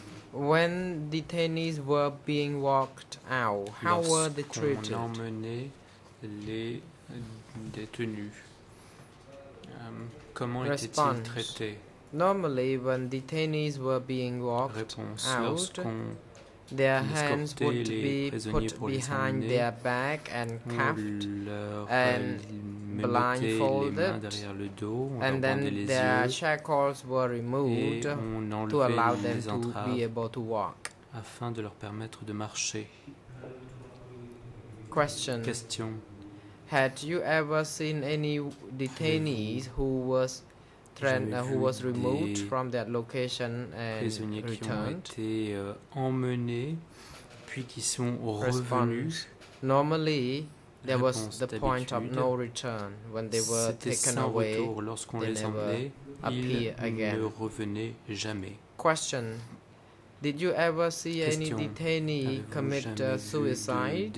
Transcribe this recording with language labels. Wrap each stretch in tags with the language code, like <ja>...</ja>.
<en>When detainees were being walked out, how were they treated?</en> <fr>Lorsqu'on emmenait les détenus, comment étaient-ils traités?</fr> <en>Normally, when detainees were being walked out, their hands would be put behind their back and cuffed and blindfolded, and then their shackles were removed to allow them to be able to walk.</en> <fr>Afin de leur permettre de marcher.</fr> <en>Question. Had you ever seen any detainees who was who was removed from that location and</en> <fr>prisonniers</fr> <en>returned?</en> <fr>Qui ont été emmenés puis qui sont revenus?</fr> <en>Normally, there was the point of no return when they were taken away.</en> <fr>Lorsqu'on les emmenait, ils ne revenaient jamais.</fr> <en>Question. Did you ever see any detainee commit suicide?</en>